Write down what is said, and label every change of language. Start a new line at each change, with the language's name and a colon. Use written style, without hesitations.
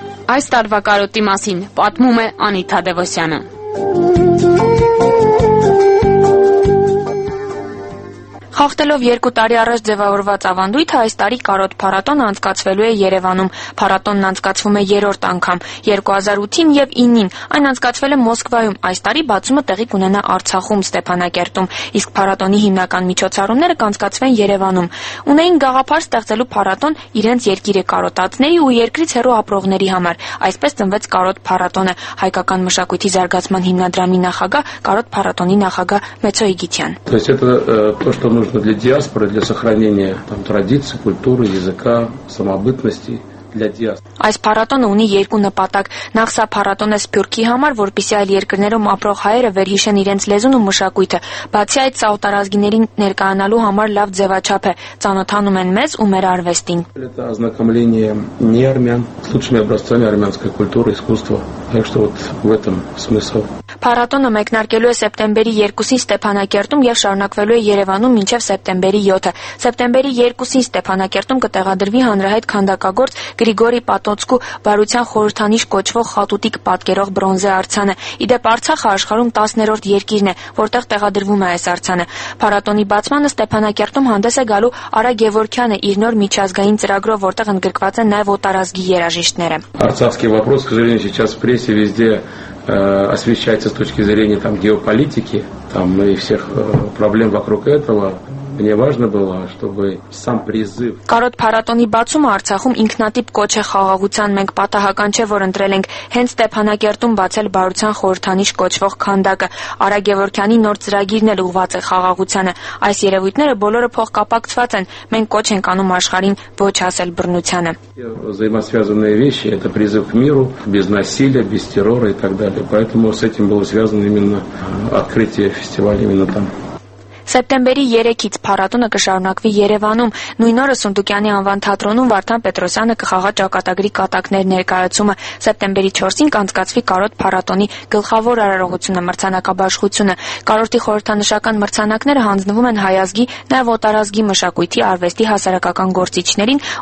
Armenian: Այս տարվա կարոտի մասին պատմում է Անիթա Դևոսյանը։ Խախտելով 2 տարի առաջ ձևավորված ավանդույթը, այս տարի կարոտ փառատոնը անցկացվելու է Երևանում։ Փառատոնն անցկացվում է երրորդ անգամ 2008-ին և 2009-ին։ Այն անցկացվել է Մոսկվայում, այս տարի բացումը տեղի կունենա Արցախում, Ստեփանակերտում, իսկ փառատոնի հիմնական միջոցառումները կանցկացվեն Երևանում։ Ունեին գաղափար ստեղծելու փառատոն իրենց երկիրը կարոտածների ու երկրից հեռու ապրողների համար։ Այսպես ծնվեց կարոտ փառատոնը, հայկական մշակույթի զարգացման հիմնադրամի նախագահ, կարոտ փառատոնի նախագահ Մեցո Իգիթյան։
Russian: Нужно для диаспоры, для сохранения там традиций, культуры, языка, самобытности,
Armenian: Այս փառատոնը ունի երկու նպատակ. Նախ սա փառատոն է Սփյուռքի համար, որպեսզի այլ երկրներում ապրող հայերը վերհիշեն իրենց լեզուն ու մշակույթը։ Բացի այդ, սա օտարազգիներին ներկայանալու համար լավ ձևաչափ է, ծանոթանում են մեզ ու մեր արվեստին։ Փառատոնը մեկնարկելու է սեպտեմբերի 2-ին Ստեփանակերտում և շարունակվելու է Երևանում մինչև սեպտեմբերի 7-ը։ Սեպտեմբերի 2-ին Ստեփանակերտում կտեղադրվի հանրահայտ քանդակագործ Գրիգորի Պատոցկու բարության խորհրդանիշ կոչվող խատուտիկ պատկերող բրոնզե արձանը։ Իդեպ Արցախը աշխարհում 13-րդ երկիրն է, որտեղ տեղադրվում է այս արձանը։ Փառատոնի բացմանը Ստեփանակերտում հանդես է գալու Արա Գևորքյանը իր նոր միջազգային ծրագրով, որտեղ ընդգրկված են նաև օտարազգի երաժիշտները։
Russian: Արցախский вопрос, к сожалению, сейчас в прессе везде освещается с точки зрения там геополитики, там и всех проблем вокруг этого. Мне важно было, чтобы сам призыв.
Armenian: Կարոտ փառատոնի բացումը Արցախում ինքնատիպ կոչ է խաղաղության, մենք պատահական չէ, որ ընտրել ենք հենց Ստեփանակերտում բացել բարության խորհրդանիշ կոչվող քանդակը։ Արա Գևորքյանի նոր ծրագիրն էլ ուղված է խաղաղությանը։ Այս երևույթները բոլորը փոխկապակցված են, մենք կոչ ենք անում աշխարհին ոչ ասել բռնությանը։
Russian: Взаимосвязанные вещи это призыв к миру, без насилия, без террора и так далее. Поэтому с этим было связано именно открытие фестиваля именно там.
Armenian: Սեպտեմբերի 3-ից փառատոնը կշարունակվի Երևանում։ Նույն օրը Սունդուկյանի անվան թատրոնում Վարդան Պետրոսյանը կխաղա ճակատագրի կատակներ ներկայացումը։ Սեպտեմբերի 4-ին կանցկացվի կարոտ փառատոնի գլխավոր արարողությունը մրցանակաբաշխությունը։ Կարոտի խորհրդանշական մրցանակները հանձնվում են հայազգի, նաև օտարազգի մշակույթի արվեստի հասարակական գործիչներին,